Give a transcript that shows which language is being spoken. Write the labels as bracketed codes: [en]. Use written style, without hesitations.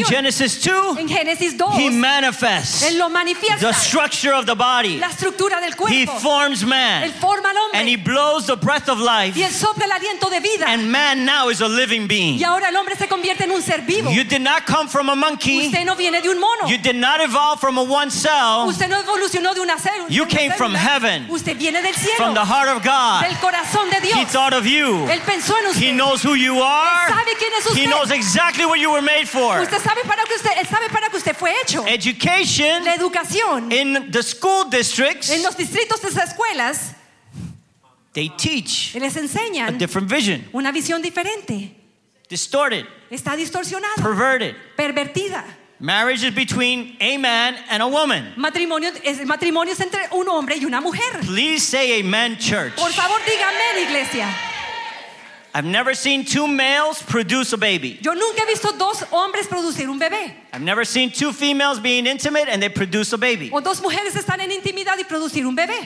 [en] In Genesis 2. [es] En Génesis 2. [en] He manifests. [es] Él lo manifiesta. [en] Structure of the body. [es] La estructura del cuerpo. [en] He forms man. [es] Él forma al hombre. [en] And He blows the breath of life. [es] Y él sopla el aliento de vida. [en] And man now is a living being. [es] Y ahora el hombre se convierte en un ser vivo. [en] You did not come from a monkey. [es] Usted no viene de un mono. [en] You did not evolve from a one cell. [es] Usted no evolucionó de una célula. [en] You came from heaven. [es] Usted viene del cielo. [en] From the heart of God. [es] Del corazón de Dios. [en] He thought of you. [es] Él pensó en usted. [en] He knows who you are. [es] Él sabe quién es usted. [en] He knows exactly what you were made for. [es] Usted sabe para qué usted, él sabe para qué usted fue hecho. [en] Education. [es] La educación. [en] In the school districts, [es] en los distritos de las escuelas, [en] they teach, [es] les enseñan, [en] a different vision, [es] una visión diferente, [en] distorted, [es] está distorsionada, [en] perverted, [es] pervertida. [en] Marriage is between a man and a woman. [es] Matrimonio es entre un hombre y una mujer. [en] Please say amen, church. [es] Por favor, diga amén, iglesia. [en] I've never seen two males produce a baby. [es] Yo nunca he visto dos hombres producir un bebé. [en] I've never seen two females being intimate and they produce a baby. [es] O dos mujeres están en intimidad y producir un bebé.